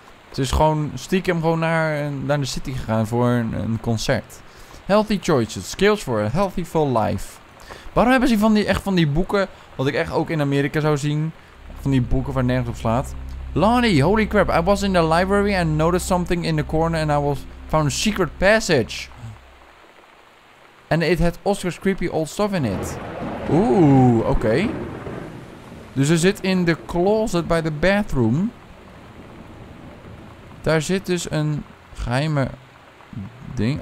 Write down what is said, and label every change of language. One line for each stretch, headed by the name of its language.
Dutch: Ze is gewoon stiekem gewoon naar de city gegaan voor een concert.
English: Healthy choices. Skills for a healthy full life.
Dutch: Waarom hebben ze van die boeken, wat ik echt ook in Amerika zou zien... Van die boeken waar nergens op slaat. Lonnie,
English: holy crap. I was in the library and noticed something in the corner and I found a secret passage. And it had Oscar's creepy old stuff in it.
Dutch: Oeh, oké. Okay. Dus er zit in de closet bij de bathroom. Daar zit dus een geheime ding.